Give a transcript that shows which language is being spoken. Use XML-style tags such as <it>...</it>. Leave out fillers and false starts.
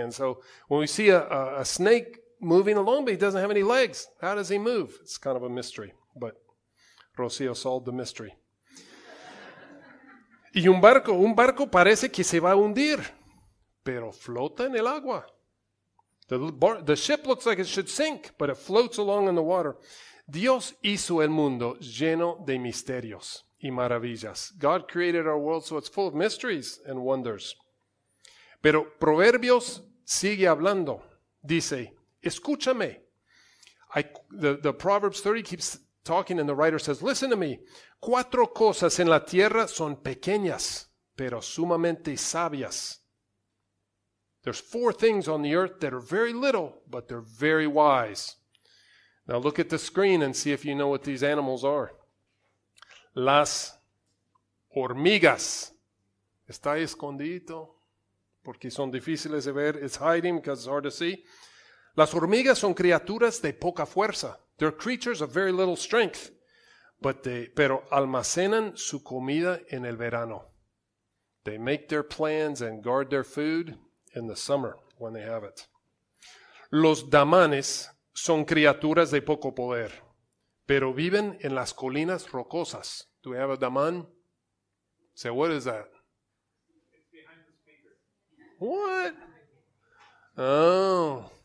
<en>And so, when we see a snake moving along, but he doesn't have any legs, how does he move? It's kind of a mystery, but Rocío solved the mystery.</en> <es>Y un barco parece que se va a hundir, pero flota en el agua.</es> <en>The ship looks like it should sink, but it floats along in the water.</en> <es>Dios hizo el mundo lleno de misterios y maravillas.</es> <en>God created our world so it's full of mysteries and wonders.</en> <es>Pero Proverbios sigue hablando. Dice, escúchame.</es> <en>The Proverbs 30 keeps talking and the writer says, listen to me.</en> <es>Cuatro cosas en la tierra son pequeñas, pero sumamente sabias.</es> <en>There's four things on the earth that are very little, but they're very wise. Now look at the screen and see if you know what these animals are.</en> <es>Las hormigas. Está escondido porque son difíciles de ver.</es> <en>It's hiding because it's hard to see.</en> <es>Las hormigas son criaturas de poca fuerza.</es> <en>They're creatures of very little strength,</en> <es>pero almacenan su comida en el verano.</es> <en>They make their plans and guard their food in the summer when they have it.</en> <es>Los damanes son criaturas de poco poder, pero viven en las colinas rocosas.</es> <en>Do we have a daman? Say, what is that? What? Oh.</en>